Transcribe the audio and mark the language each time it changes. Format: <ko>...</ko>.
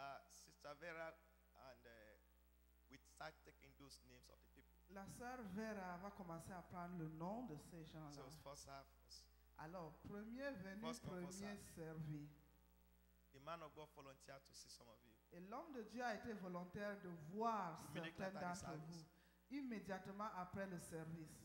<en>Sister Vera and we start taking those names of the people.</en> <fr>La sœur Vera va commencer à prendre le nom de ces gens-là.</fr> <en>So first half.</en> <fr>Alors, premier venu,</fr> <en>first</en> <fr>premier</fr> <en>first</en> <fr>servi.</fr> <en>The man of God volunteered to see some of you.</en> <fr>Et l'homme de Dieu a été volontaire de voir certains d'entre vous immédiatement après le service.</fr>